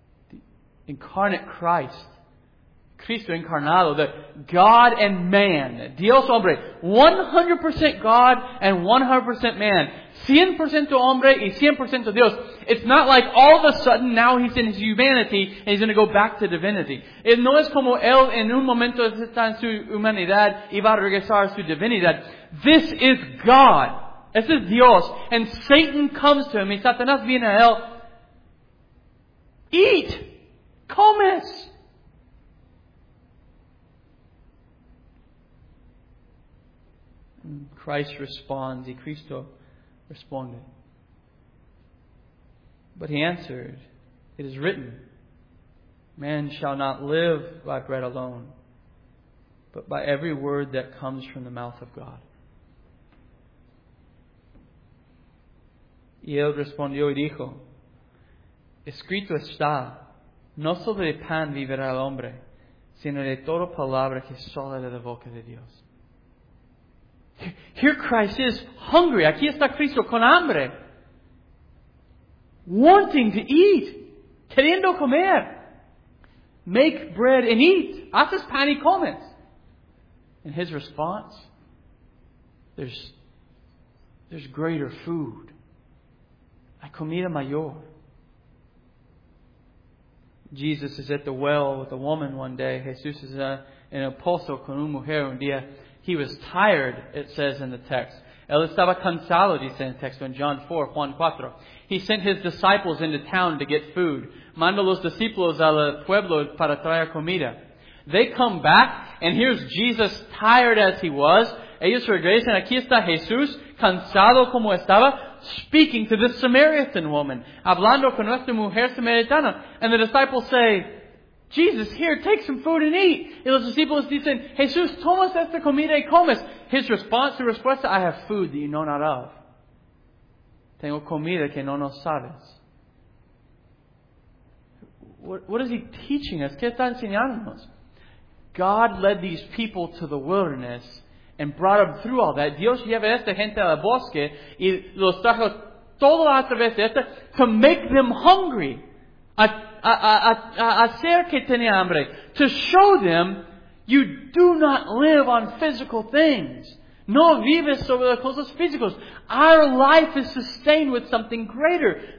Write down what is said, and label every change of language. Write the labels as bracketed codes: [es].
[en] The incarnate Christ. [es] Cristo encarnado, [en] the God and man, [es] Dios hombre, [en] 100% God and 100% man, [es] 100% hombre y 100% Dios. [en] It's not like all of a sudden now he's in his humanity and he's going to go back to divinity. [es] No es como él en un momento está en su humanidad y va a regresar a su divinidad. [en] This is God. This is Dios. And Satan comes to him [es] y Satanás viene a él. [en] Eat. [es] Comes. [en] Christ responds, [es] y Cristo responde. [en] But he answered, "It is written, man shall not live by bread alone, but by every word that comes from the mouth of God." [es] Y él respondió y dijo, "Escrito está, no sobre el pan vivirá el hombre, sino de toda palabra que sale de la boca de Dios." [en] Here Christ is hungry. [es] Aquí está Cristo con hambre. [en] Wanting to eat. [es] Queriendo comer. [en] Make bread and eat. [es] Haces pan y comes. [en] And his response, there's greater food. [es] La comida mayor. [en] Jesus is at the well with a woman one day. [es] Jesús es en el pozo con una mujer un día. [en] He was tired, it says in the text. [es] Él estaba cansado, dice en el texto, [en] in John 4, [es] Juan 4. [en] He sent his disciples into town to get food. [es] Manda los discípulos al pueblo para traer comida. [en] They come back, and here's Jesus, tired as he was. [es] Ellos regresan, aquí está Jesús, cansado como estaba, [en] speaking to this Samaritan woman, [es] hablando con nuestra mujer samaritana. [en] And the disciples say, "Jesus, here, take some food and eat." [es] Y los discípulos dicen, "Jesús, tomas esta comida y comes." [en] His response, [es] su respuesta, [en] "I have food that you know not of. [es] Tengo comida que no nos sabes." [en] What is he teaching us? [es] ¿Qué está enseñándonos? [en] God led these people to the wilderness and brought them through all that. [es] Dios lleva esta gente al bosque y los trajo todo a través de esta [en] to make them hungry. [es] Hacer que tenía hambre. [en] To show them, you do not live on physical things. [es] No vives sobre las cosas físicas. [en] Our life is sustained with something greater.